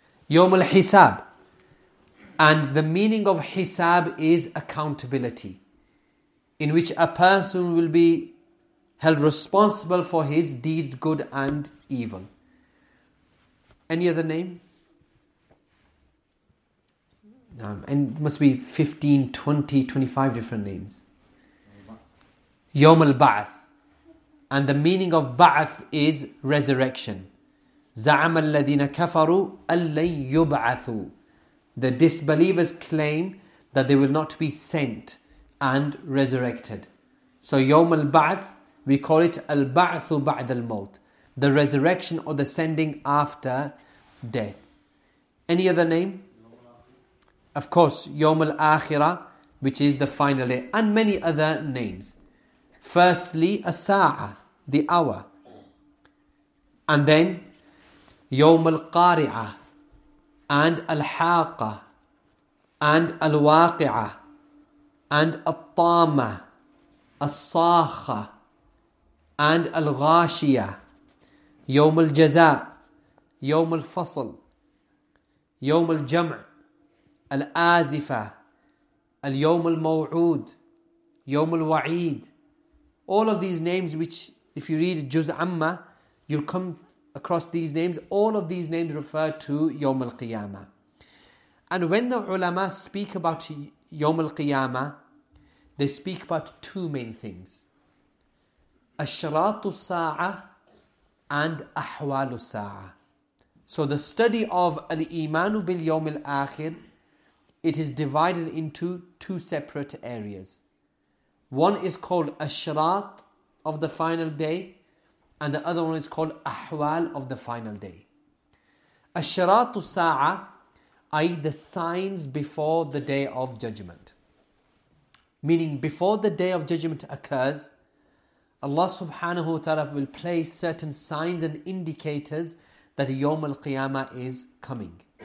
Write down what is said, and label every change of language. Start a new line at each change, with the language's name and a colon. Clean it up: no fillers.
English: Yawm al-Hisab. And the meaning of Hisab is accountability, in which a person will be held responsible for his deeds, good and evil. Any other name? And it must be 15, 20, 25 different names. Yawm al-Ba'ath. And the meaning of Ba'ath is resurrection.
Arabic: زعم الذين كفروا أن لن يبعثوا.
English: The disbelievers claim that they will not be sent and resurrected. So يوم البعث, we call it
Arabic: البعث بعد الموت,
English: the resurrection or the sending after death. Any other name? Of course, يوم الآخرة, which is the final day, and many other names. Firstly, الساعة, the hour.
Arabic: And then, يوم القارعة, and الحاقة, and الواقعة, and الطامة, الصاخة, and الغاشية, يوم الجزاء, يوم الفصل, يوم الجمع, الآزفة, اليوم الموعود, يوم الوعيد.
English: All of these names, which if you read جزء عما, you'll come across these names. All of these names refer to يوم القيامة. And when the ulama speak about يوم القيامة, they speak about two main things.
Arabic: أشراط الساعة and أحوال الساعة.
English: So the study of الإيمان باليوم الآخر, it is divided into two separate areas. One is called أشراط of the final day, and the other one is called أحوال of the final day.
Arabic: أشراط الساعة, i.e.
English: the signs before the day of judgment. Meaning before the day of judgment occurs, Allah subhanahu wa ta'ala will place certain signs and indicators that يوم القيامة is coming.